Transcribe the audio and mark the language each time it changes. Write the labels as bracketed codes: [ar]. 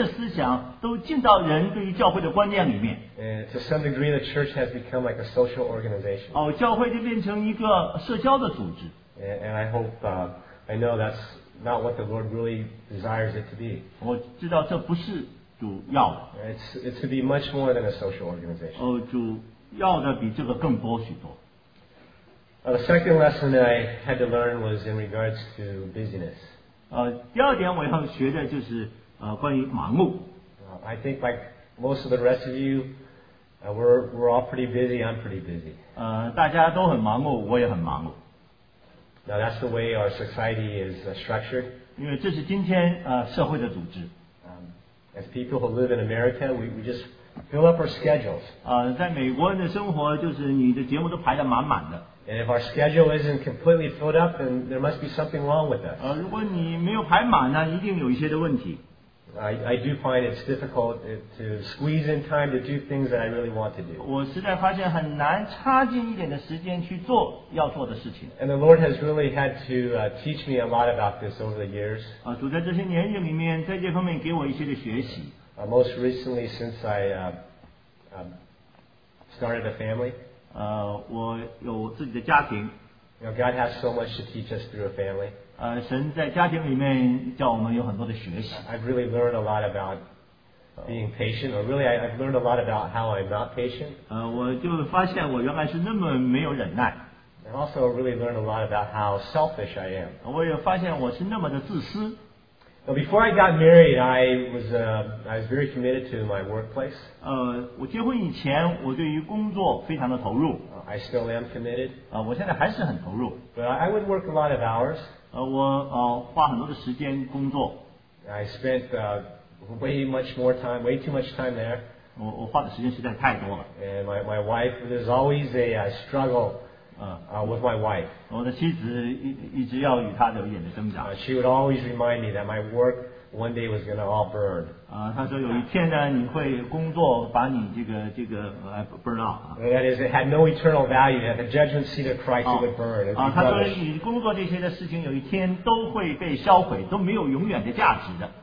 [zh] 世界上的想法，人的思想都进到人对于教会的观念里面。 [en] To some degree, the church has become like a social organization. [zh] 教会就变成一个社交的组织。 [en] And I hope, I know that's not what the Lord really desires it to be. [zh] 我知道这不是。 [en] It's to be much more than a social organization. [zh] 主要的比这个更多许多。 [en] The second lesson that I had to learn was in regards to busyness. [zh] 第二点我要学的就是 关于忙碌。 [en] I think like most of the rest of you, we're all pretty busy. I'm pretty busy. [zh] 大家都很忙碌，我也很忙碌。 [en] Now that's the way our society is structured. [zh] 因为这是今天 社会的组织。 [en] As people who live in America, we just fill up our schedules. [zh] 在美国人的生活就是你的节目都排得满满的。 [en] And if our schedule isn't completely filled up, then there must be something wrong with us. [zh] 如果你没有排满呢，一定有一些的问题。 [en] I do find it's difficult to squeeze in time to do things that I really want to do. [zh] 我实在发现很难插进一点的时间去做要做的事情。 [en] And the Lord has really had to teach me a lot about this over the years. [zh] 主在这些年龄里面，在这方面给我一些的学习。 [en] Most recently, since I started a family. [zh] 我有自己的家庭。 [en] You know, God has so much to teach us through a family. [zh] 神在家庭里面叫我们有很多的学习。 [en] I've really learned a lot about being patient, or really I've learned a lot about how I'm not patient. [zh] 我就发现我原来是那么没有忍耐。 [en] And also really learned a lot about how selfish I am. [zh] 我也发现我是那么的自私。 [en] Now, before I got married, I was very committed to my workplace. [zh] 我结婚以前我对于工作非常的投入。 [en] I still am committed. [zh] 我现在还是很投入。 [en] But I would work a lot of hours. [zh] 我花很多的时间工作。 [en] I spent way too much time there. [zh] 我花的时间实在太多了。 [en] And my wife, there's always a struggle with my wife. [zh] 我的妻子一直要与她有一点的挣扎。 [en] She would always remind me that my work one day was going to all burn. [zh] 她说有一天呢，你会工作把你这个 [en] burn out. That is, it had no eternal value. At the judgment seat of Christ, it would burn. [zh] 她说你工作这些的事情有一天都会被销毁，都没有永远的价值的。